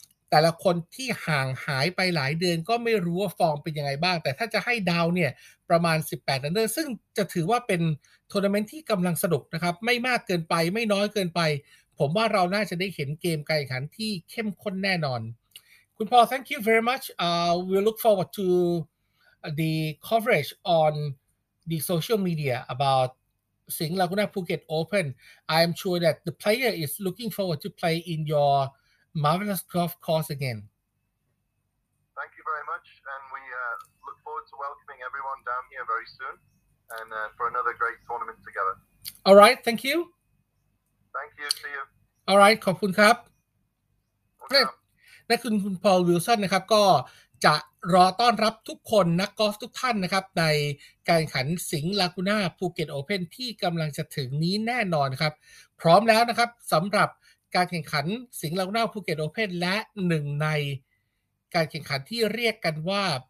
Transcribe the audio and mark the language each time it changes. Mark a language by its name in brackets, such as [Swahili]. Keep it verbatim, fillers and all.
[Thai] แต่ละคนที่ห่างหายไปหลายเดือนก็ไม่รู้ว่าฟอร์มเป็นยังไงบ้างแต่ถ้าจะให้เดาเนี่ยประมาณสิบแปดอันเดอร์ซึ่งจะถือว่าเป็นทัวร์นาเมนต์ที่กำลังสนุกนะครับไม่มากเกินไปไม่น้อยเกินไปผมว่าเราน่าจะได้เห็นเกมการแข่งขันที่เข้มข้นแน่นอน [English] Kun Paul, thank you very much. Uh, we look forward to the coverage on the social media about Singh Laguna Phuket Open. I am sure that the player is looking forward to play in your marvelous golf course again. Thank you very much, and we uh, look forward to welcoming everyone down here very soon, and uh, for another great tournament together. All right, thank you. Thank you. See you. All right, [Thai] ขอบคุณครับนั่นคือคุณพอลวิลสันนะครับก็จะรอต้อนรับทุกคนนักกอล์ฟทุกท่านนะครับในการแข่งขันสิงห์ลากูน่าภูเก็ตโอเพ่นที่กำลังจะถึงนี้แน่นอนครับพร้อมแล้วนะครับสำหรับการแข่งขันสิงห์ลากูน่าภูเก็ตโอเพ่นและหนึ่งในการแข่งขันที่เรียกกันว่า